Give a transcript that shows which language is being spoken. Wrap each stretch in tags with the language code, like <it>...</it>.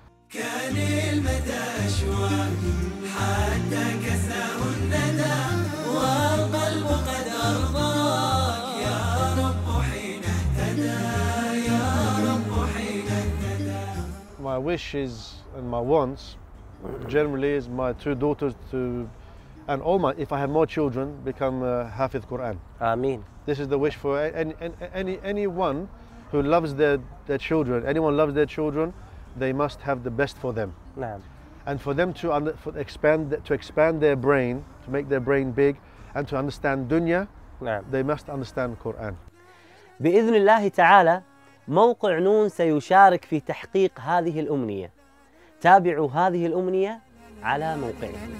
<ar>كان المدى شواه حتى كساه الندى والقلب قد أرضاك يا رب حين اهتدى يا رب حين اهتدى.</ar> <en>My wishes and my wants generally is my two daughters to, and all my, if I have more children, become Hafiz Quran.</en> <ar>Ameen.</ar> <en>This is the wish for anyone who loves their children. Anyone loves their children, they must have the best for them.</en> <ar>Naam.</ar> <en>And for them to expand their brain, to make their brain big, and to understand dunya,</en> <ar>Naam.</ar> <en>They must understand Quran.</en> <ar>بإذن الله تعالى موقع نون سيشارك في تحقيق هذه الأمنية. تابعوا هذه الأمنية على موقعنا.</ar>